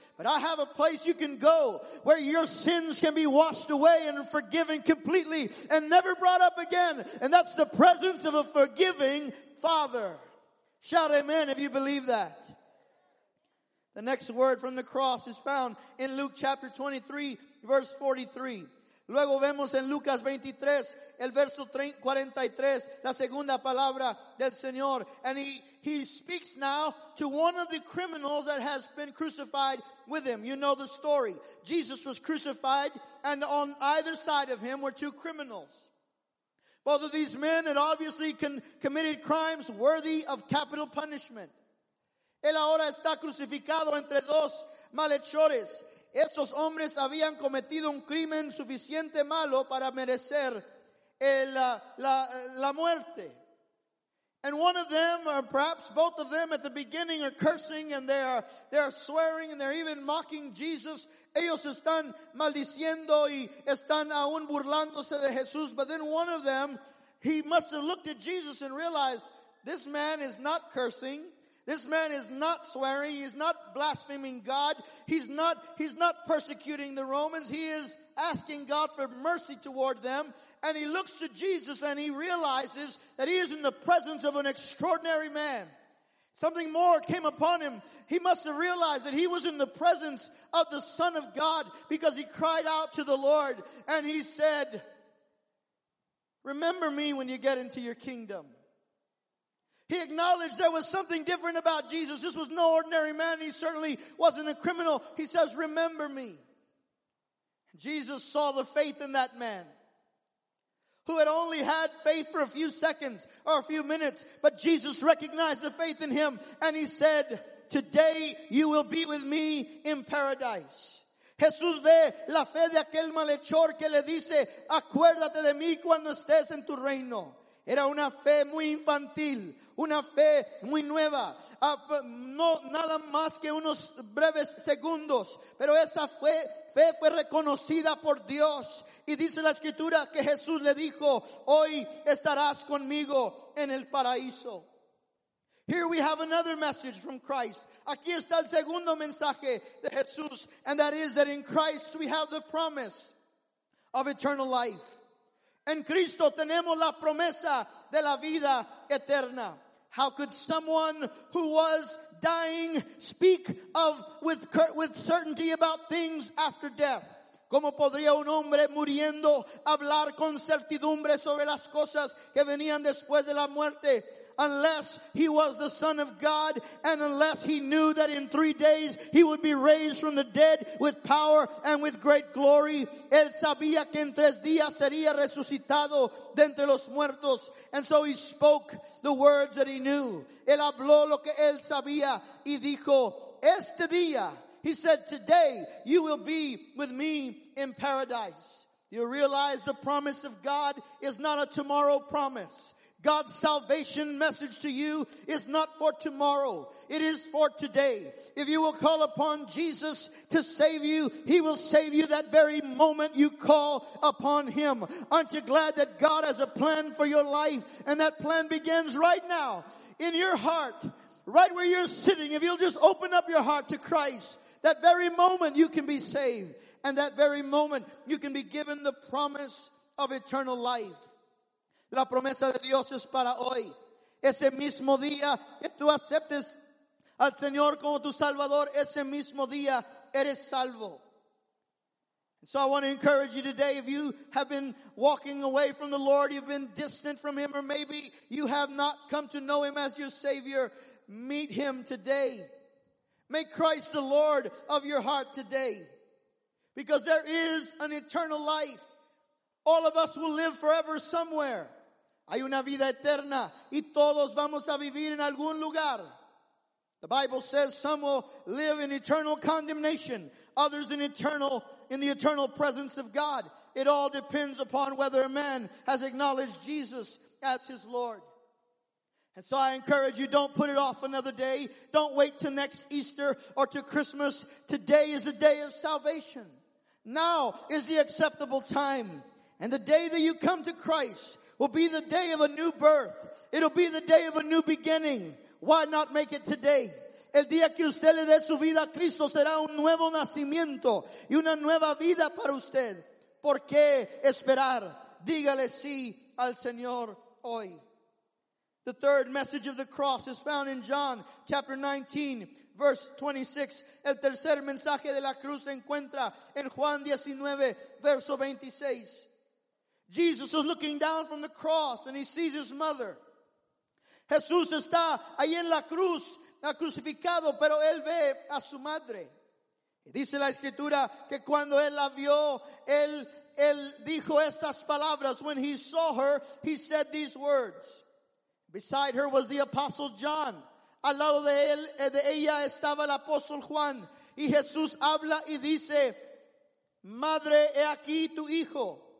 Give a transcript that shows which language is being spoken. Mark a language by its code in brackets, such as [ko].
[en] But I have a place you can go where your sins can be washed away and forgiven completely and never brought up again. And that's the presence of a forgiving Father. Shout amen if you believe that. The next word from the cross is found in Luke chapter 23, verse 43. [es] Luego vemos en Lucas 23, el verso 43, la segunda palabra del Señor. [en] And he speaks now to one of the criminals that has been crucified with Him. You know the story. Jesus was crucified, and on either side of Him were two criminals. Both of these men had obviously committed crimes worthy of capital punishment. [es] Él ahora está crucificado entre dos malhechores. Estos hombres habían cometido un crimen suficiente malo para merecer la muerte. [en] And one of them, or perhaps both of them at the beginning, are cursing and they are swearing and they're even mocking Jesus. [es] Ellos están maldiciendo y están aún burlándose de Jesús. [en] But then one of them, he must have looked at Jesus and realized, this man is not cursing. This man is not swearing, he's not blaspheming God, he's not persecuting the Romans, he is asking God for mercy toward them, and he looks to Jesus and he realizes that he is in the presence of an extraordinary man. Something more came upon him. He must have realized that he was in the presence of the Son of God, because he cried out to the Lord and he said, remember me when you get into your kingdom. He acknowledged there was something different about Jesus. This was no ordinary man. He certainly wasn't a criminal. He says, remember me. Jesus saw the faith in that man who had only had faith for a few seconds or a few minutes. But Jesus recognized the faith in him and he said, today you will be with me in paradise. [es] Jesús ve la fe de aquel malhechor que le dice, acuérdate de mí cuando estés en tu reino. Era una fe muy infantil, una fe muy nueva, no nada más que unos breves segundos, pero esa fe fue reconocida por Dios. Y dice la escritura que Jesús le dijo, hoy estarás conmigo en el paraíso. [en] Here we have another message from Christ. [es] Aquí está el segundo mensaje de Jesús, [en] and that is that in Christ we have the promise of eternal life. [es] En Cristo tenemos la promesa de la vida eterna. [en] How could someone who was dying speak of with certainty about things after death? [es] ¿Cómo podría un hombre muriendo hablar con certidumbre sobre las cosas que venían después de la muerte? [en] Unless he was the Son of God, and unless he knew that in 3 days he would be raised from the dead with power and with great glory. [es] Él sabía que en 3 días sería resucitado de entre los muertos. [en] And so he spoke the words that he knew. [es] Él habló lo que él sabía y dijo, este día, [en] he said, today you will be with me in paradise. You realize the promise of God is not a tomorrow promise. God's salvation message to you is not for tomorrow. It is for today. If you will call upon Jesus to save you, he will save you that very moment you call upon him. Aren't you glad that God has a plan for your life? And that plan begins right now in your heart, right where you're sitting. If you'll just open up your heart to Christ, that very moment you can be saved. And that very moment you can be given the promise of eternal life. [es] La promesa de Dios es para hoy. Ese mismo día que tú aceptes al Señor como tu Salvador, ese mismo día eres salvo. [en] So I want to encourage you today, if you have been walking away from the Lord, you've been distant from him, or maybe you have not come to know him as your Savior, meet him today. Make Christ the Lord of your heart today. Because there is an eternal life. All of us will live forever somewhere. [es] Hay una vida eterna y todos vamos a vivir en algún lugar. [en] The Bible says some will live in eternal condemnation, others in the eternal presence of God. It all depends upon whether a man has acknowledged Jesus as his Lord. And so I encourage you, don't put it off another day. Don't wait till next Easter or to Christmas. Today is the day of salvation. Now is the acceptable time. And the day that you come to Christ will be the day of a new birth. It'll be the day of a new beginning. Why not make it today? [es] El día que usted le dé su vida a Cristo será un nuevo nacimiento y una nueva vida para usted. ¿Por qué esperar? Dígale sí al Señor hoy. [en] The third message of the cross is found in John chapter 19, verse 26. [es] El tercer mensaje de la cruz se encuentra en Juan 19, verso 26. [en] Jesus is looking down from the cross and he sees his mother. [es] Jesús está ahí en la cruz, crucificado, pero él ve a su madre. Y dice la escritura que cuando él la vio, él dijo estas palabras. [en] When he saw her, he said these words. Beside her was the apostle John. [es] Al lado de él, de ella estaba el apóstol Juan. Y Jesús habla y dice, madre, he aquí tu hijo.